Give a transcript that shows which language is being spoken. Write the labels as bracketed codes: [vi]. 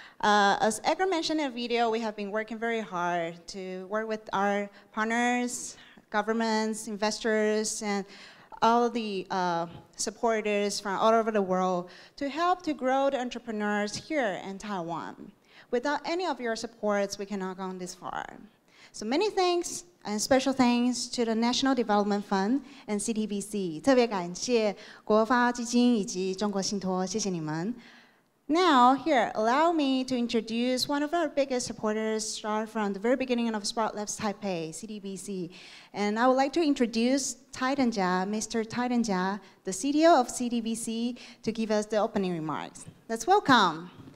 [en] As Edgar mentioned in a video, we have been working very hard to work with our partners, governments, investors, and all the supporters from all over the world to help to grow the entrepreneurs here in Taiwan. Without any of your supports, we cannot go this far. So many thanks and special thanks to the National Development Fund and CTBC. [zh] 特别感谢国发基金以及中国信托，谢谢你们。 [en] Now, here, allow me to introduce one of our biggest supporters, start from the very beginning of SparkLabs Taipei, CTBC. And I would like to introduce Titan Jia, Mr. Titan Jia, the CTO of CTBC, to give us the opening remarks. Let's welcome.